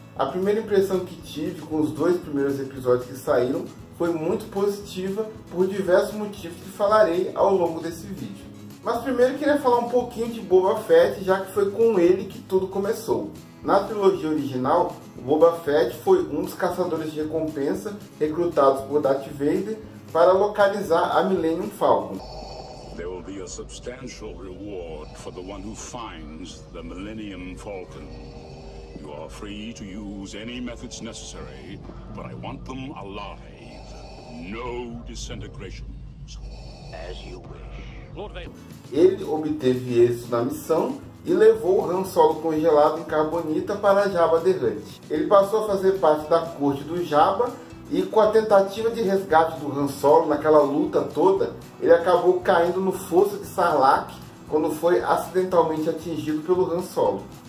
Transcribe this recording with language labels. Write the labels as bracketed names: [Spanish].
[Portuguese] A primeira impressão que tive com os dois primeiros episódios que saíram foi muito positiva por diversos motivos que falarei ao longo desse vídeo. Mas primeiro queria falar um pouquinho de Boba Fett, já que foi com ele que tudo começou. Na trilogia original, Boba Fett foi um dos caçadores de recompensa recrutados por Darth Vader para localizar a Millennium Falcon. [English] There will be a substantial reward for the one who finds the Millennium Falcon. You are free to use any methods necessary, but I want them alive. No disintegrations. As you wish. [Portuguese] Ele obteve êxito na missão e levou o Han Solo congelado em carbonita para Jabba the Hutt. Ele passou a fazer parte da corte do Jabba e, com a tentativa de resgate do Han Solo naquela luta toda, ele acabou caindo no fosso de Sarlacc quando foi acidentalmente atingido pelo Han Solo.